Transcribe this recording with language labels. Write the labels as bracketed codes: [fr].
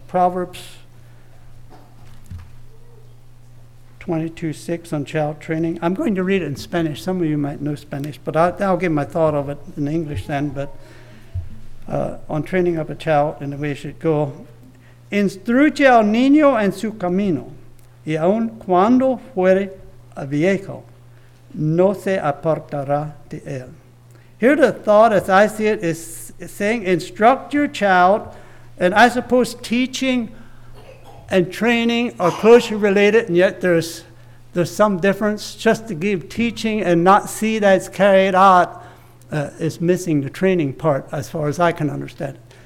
[en] Proverbs 22:6 on child training. I'm going to read it in Spanish. Some of you might know Spanish, but I'll give my thought of it in English then, but on training up a child in the way it should go. [es] Instruye al niño en su camino. Y aun cuando fuere viejo, no se apartará de él. [en] Here the thought, as I see it, is saying instruct your child, and I suppose teaching and training are closely related, and yet there's some difference. Just to give teaching and not see that it's carried out is missing the training part, as far as I can understand.